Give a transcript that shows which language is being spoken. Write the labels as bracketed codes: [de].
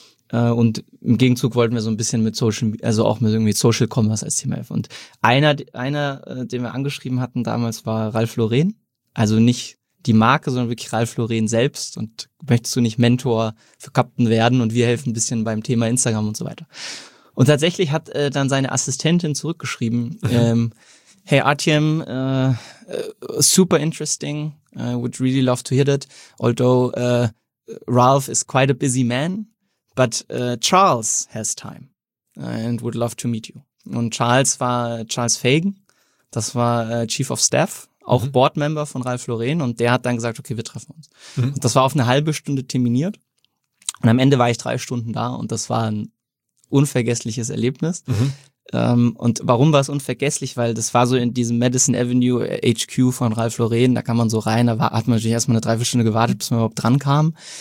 [de] Und im Gegenzug wollten wir so ein bisschen mit Social, also auch mit irgendwie Social Commerce als Thema helfen. Und einer, den wir angeschrieben hatten damals, war Ralf Lauren. Also nicht, die Marke, sondern wirklich Ralph Lauren selbst. Und möchtest du nicht Mentor für Captain werden und wir helfen ein bisschen beim Thema Instagram und so weiter. Und tatsächlich hat dann seine Assistentin zurückgeschrieben, [en] hey Artyom, super interesting, I would really love to hear that, although Ralph is quite a busy man, but Charles has time and would love to meet you. [de] Und Charles war Charles Fagan, das war Chief of Staff, auch Boardmember von Ralph Lauren, und der hat dann gesagt, okay, wir treffen uns. Mhm. Und das war auf eine halbe Stunde terminiert und am Ende war ich 3 Stunden da und das war ein unvergessliches Erlebnis. Mhm. Und warum war es unvergesslich? Weil das war so in diesem Madison Avenue HQ von Ralph Lauren, da kam man so rein, da hat man natürlich erstmal 1/4 Stunde gewartet, bis man überhaupt dran kam.